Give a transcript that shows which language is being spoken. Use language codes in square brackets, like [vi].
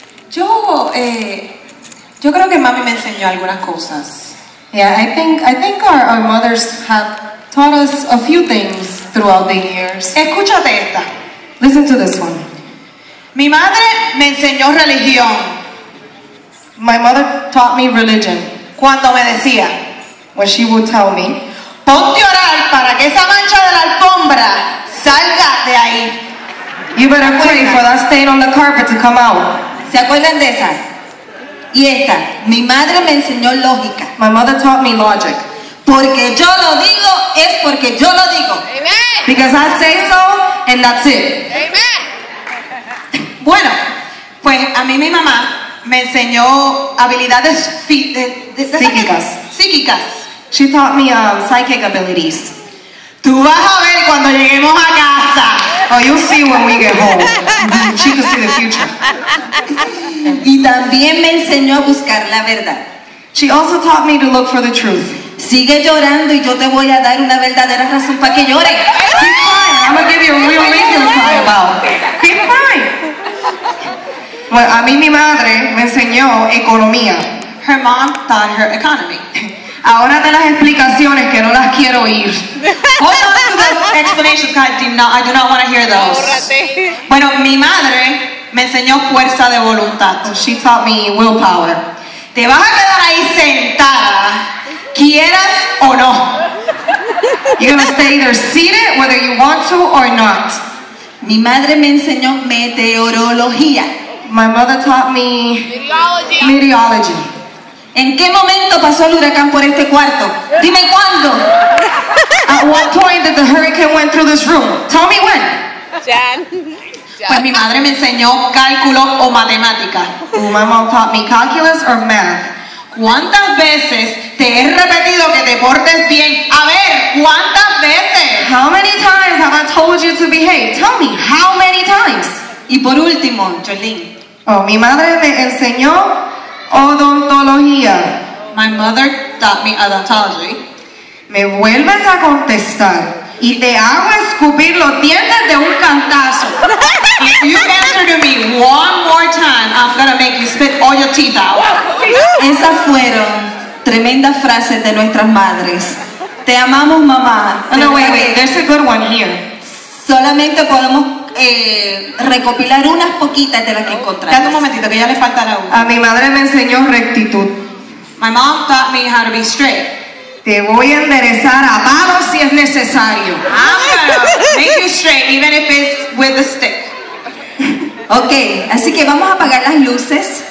[es] Yo creo que mami me enseñó algunas cosas. [en] Yeah, I think our mothers have taught us a few things throughout the years. [es] Escúchate esta. [en] Listen to this one. [es] Mi madre me enseñó religión. [en] My mother taught me religion. [es] Cuando me decía, [en] when she would tell me, [es] ponte a orar para que esa mancha de la alfombra salga de ahí. [en] You better pray for that stain on the carpet to come out. [es] ¿Se acuerdan de esa? Y esta, mi madre me enseñó lógica. [en] My mother taught me logic. [es] Porque yo lo digo, es porque yo lo digo. [en] Amen. Because I say so, and that's it. Amen. [es] Bueno, pues a mí mi mamá me enseñó habilidades psíquicas. Psíquicas. [en] She taught me psychic abilities. [es] Tú vas a ver cuando lleguemos a casa. [en] Oh, you'll see when we get home. She can see the future. [es] Y también me enseñó a buscar la verdad. [en] She also taught me to look for the truth. [es] Sigue llorando y yo te voy a dar una verdadera razón para que llore. [en] Keep crying. I'm gonna give you a real reason to cry about. Keep crying. [es] Well, a mí mi madre me enseñó economía. [en] Her mom taught her economy. [es] Ahora de las explicaciones que no las quiero oír. [en] Hold on to those explanations, God. I do not want to hear those. [es] Bueno, mi madre me enseñó fuerza de voluntad. [en] She taught me willpower. [es] Te vas a quedar ahí sentada, quieras o no. [en] You're gonna stay either seated whether you want to or not. [es] Mi madre me enseñó meteorología. [en] My mother taught me meteorology. [es] ¿En qué momento pasó el huracán por este cuarto? Dime cuándo. [en] At what point did the hurricane went through this room? Tell me when. Jan. [es] Pues mi madre me enseñó cálculo o matemática. [en] My mom taught me calculus or math. [es] ¿Cuántas veces te he repetido que te portes bien? A ver, ¿cuántas veces? [en] How many times have I told you to behave? Tell me, how many times? [es] Y por último, Jolene. Oh, mi madre me enseñó odontología. [en] My mother taught me odontology. [es] Me vuelves a contestar y te hago escupir los dientes de un cantazo. [en] If you answer to me one more time, I'm gonna make you spit all your teeth out. [es] Esas fueron tremendas frases de nuestras madres. Te amamos, mamá. [en] Oh, no, wait, there's a good one here. [es] Solamente podemos recopilar unas poquitas de las que encontramos. Espérate un momentito, que ya le falta la una. A mi madre me enseñó rectitud. [en] My mom taught me how to be straight. [es] Te voy a enderezar a palos si es necesario. [en] I'm gonna make you straight, even if it's with a stick. [es] Okay, así que vamos a apagar las luces.